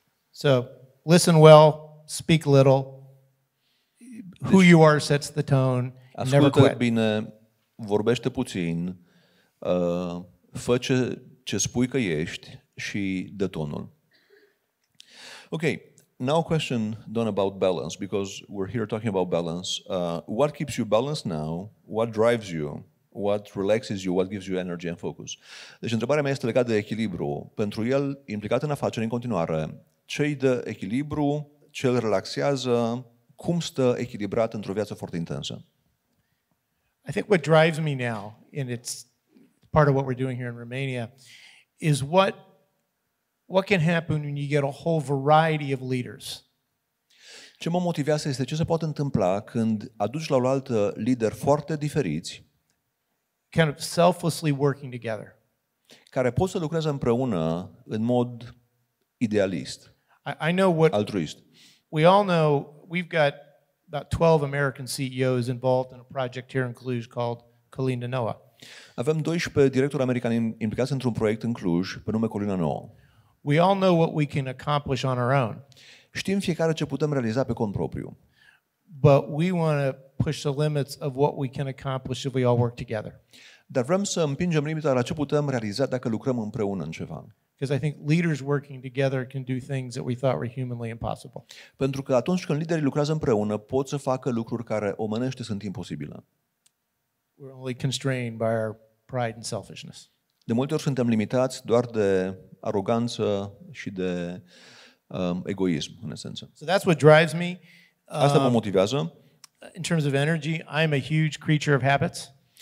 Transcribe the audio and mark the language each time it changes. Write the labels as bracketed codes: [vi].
[en] So, listen well, speak little. Who you are sets the tone. [ro] Ascultă bine, vorbește puțin, fă ce spui că ești și dă tonul. [en] Okay, now a question, Don, about balance, because we're here talking about balance. What keeps you balanced now? What drives you? What relaxes you? What gives you energy and focus? [ro] Deci întrebarea mea este legată de echilibru. Pentru el, implicat în afaceri în continuare, ce îi dă echilibru, ce îl relaxează, cum stă echilibrat într-o viață foarte intensă? [en] I think what drives me now, and it's part of what we're doing here in Romania, is what can happen when you get a whole variety of leaders. [ro] Ce mă motivează este ce se poate întâmpla când aduci la oaltă lideri foarte diferiți, [en] kind of selflessly working together. [ro] Care pot să lucreze împreună în mod idealist. [en] I know what [ro] altruist. [en] We all know we've got about 12 American CEOs involved in a project here in Cluj called Colina Nouă. [ro] Avem 12 directori americani implicați într-un proiect în Cluj pe nume Colina Nouă. [en] We all know what we can accomplish on our own. [ro] Știm fiecare ce putem realiza pe cont propriu. [en] But we want to push the limits of what we can accomplish if we all work together. [ro] Dar vrem să împingem limita la ce putem realiza dacă lucrăm împreună în ceva. [en] Because I think leaders working together can do things that we thought were humanly impossible. [ro] Pentru că atunci când liderii lucrează împreună, pot să facă lucruri care omenește sunt imposibile. [en] We're only constrained by our pride and selfishness. [ro] De multe ori suntem limitați doar de aroganță și de egoism, în esență. [en] So that's what drives me. [ro] Asta mă motivează. [en] In terms of energy, I'm a huge creature of habits.